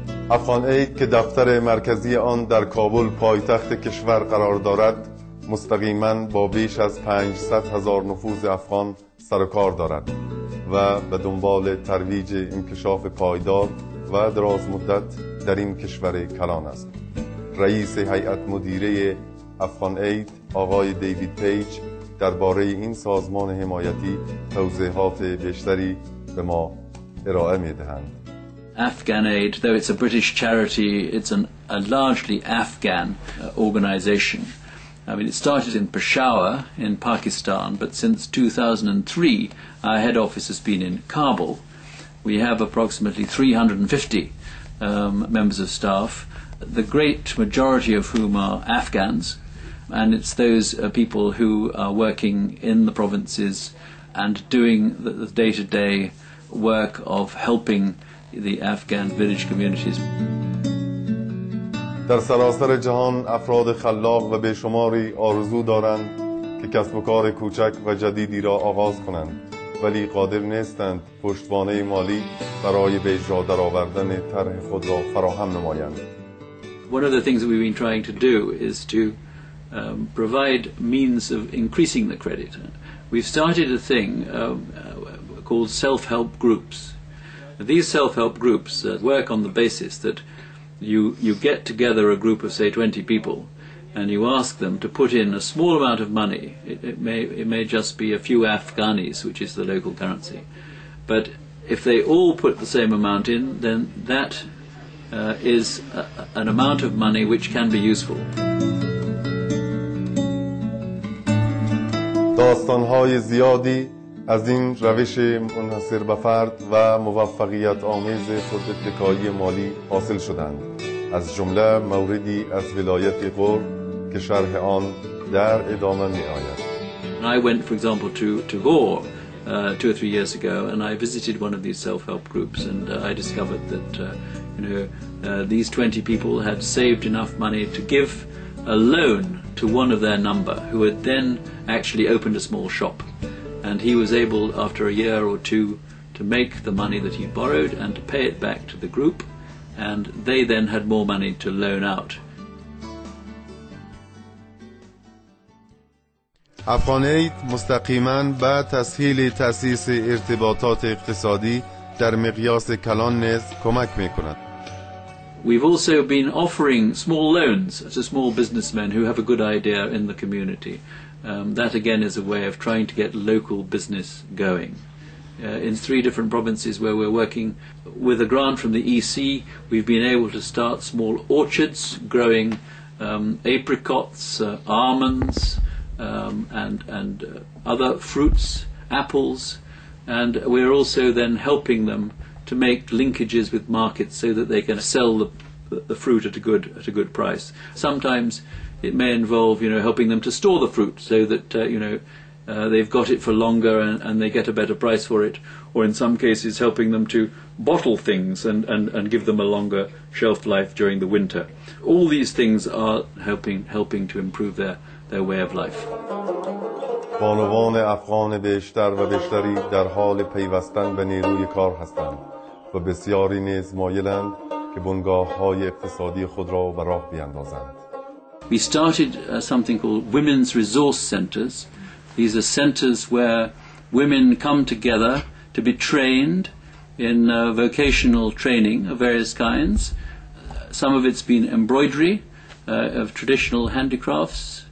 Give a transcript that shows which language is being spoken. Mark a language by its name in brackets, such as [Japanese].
[Persian] افغان اید که دفتر مرکزی آن در کابل پایتخت کشور قرار دارد، مستقیماً با بیش از 500 هزار نفوذ افغان سر و کار دارد و به دنبال ترویج انکشاف پایدار و دراز مدت در این کشور کلان است. رئیس هیئت مدیره افغان اید آقای دیوید پیج درباره این سازمان حمایتی توضیحات بیشتری به ما ارائه می دهند. [English] Afghan Aid, though it's a British charity, it's a largely Afghan organization. I mean, it started in Peshawar in Pakistan, but since 2003, our head office has been in Kabul. We have approximately 350 members of staff, the great majority of whom are Afghans, and it's those people who are working in the provinces and doing the day-to-day work of helping the Afghan village communities. [Persian] در سراسر جهان افراد خلاق و بیشماری آرزو دارند که کسب و کار کوچک و جدیدی را آغاز کنند، ولی قادر نیستند پشتوانه مالی برای به اجرا درآوردن طرح خود را فراهم نمایند. [English] One of the things that we've been trying to do is to provide means of increasing the credit. We've started a thing called self-help groups. These self-help groups work on the basis that you get together a group of say 20 people and you ask them to put in a small amount of money. It may just be a few Afghanis, which is the local currency, but if they all put the same amount in, then that is an amount of money which can be useful. [Persian] داستان های زیادی از این روش منحصر به فرد و موفقیت آمیز خوداتکایی مالی حاصل شدند، از جمله موردی از ولایت غور که شرح آن در ادامه می آید. [English] I went, for example, to Ghor two or three years ago, and I visited one of these self-help groups, and I discovered that these 20 people had saved enough money to give a loan to one of their number, who had then actually opened a small shop, and he was able, after a year or two, to make the money that he borrowed and to pay it back to the group, and they then had more money to loan out. [Persian] افغان اید مستقیماً به تسهیل تأسیس ارتباطات اقتصادی در مقیاس کلان نیز کمک می‌کند. [English] We've also been offering small loans to small businessmen who have a good idea in the community. That again is a way of trying to get local business going. In three different provinces where we're working with a grant from the EC, we've been able to start small orchards growing apricots, almonds, and other fruits, apples, and we're also then helping them to make linkages with markets so that they can sell the fruit at a good price. Sometimes it may involve helping them to store the fruit so that they've got it for longer and they get a better price for it, or in some cases helping them to bottle things and give them a longer shelf life during the winter. All these things are helping to improve their way of life. [Persian] بانوان افغان بیشتر و بیشتری در حال پیوستن به نیروی کار هستند و بسیاری نیز مایلند که بنگاه‌های اقتصادی خود را به راه بیندازند. [English] We started something called women's resource centers. These are centers where women come together to be trained in vocational training of various kinds. Some of it's been embroidery of traditional handicrafts.